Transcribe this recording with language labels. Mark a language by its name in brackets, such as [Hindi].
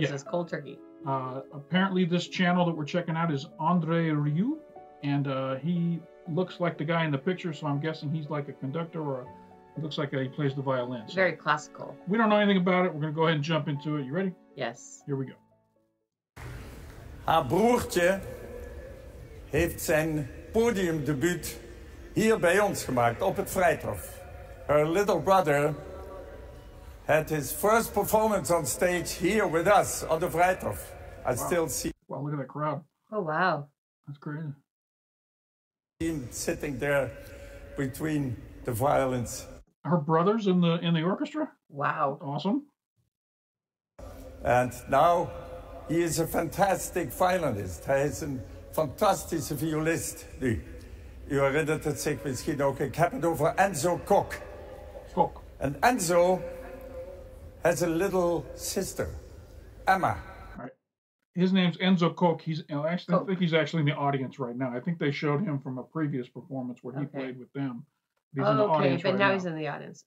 [English] It says cold turkey. Apparently this channel that we're checking out is André Rieu. And he looks like the guy in the picture. So I'm guessing he's like a conductor or looks like he plays the violin. So very classical. We don't know anything about it. We're going to go ahead and jump into it. You ready? Yes. Here we go. [Dutch] Haar broertje heeft zijn podiumdebuut hier bij ons gemaakt, op het Vrijthof. [English] Her little brother had his first performance on stage here with us on the Vrijthof. Wow, look at that crowd. Oh, wow. That's crazy. Him sitting there between the violins. Her brother's in the orchestra? Wow. Awesome. And now he is a fantastic violinist. [Dutch] Hij is een fantastische violist nu. U herinnert het zich misschien ook. Ik heb het over Enzo Kok. Kok. [English] And Enzo has a little sister, Emma. Right. His name's Enzo Kok. I think he's actually in the audience right now. I think they showed him from a previous performance where he played with them. He's in the audience right now. Okay, but now he's in the audience.